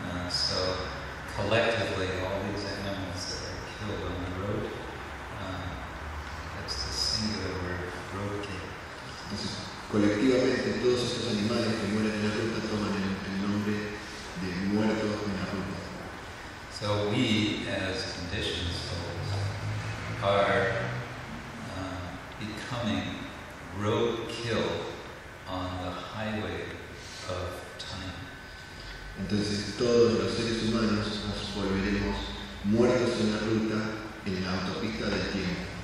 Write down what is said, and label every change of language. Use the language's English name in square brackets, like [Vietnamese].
[English] So, collectively, all these animals that are killed on the road, that's the singular word, roadkill. [Spanish] Colectivamente, todos esos animales que mueren en la ruta toman el nombre de muerto en la ruta. [English] So we, as conditioned souls, are becoming roadkill on the highway of time. [Spanish] Entonces todos los seres humanos nos volveremos muertos en la ruta, en la autopista del tiempo.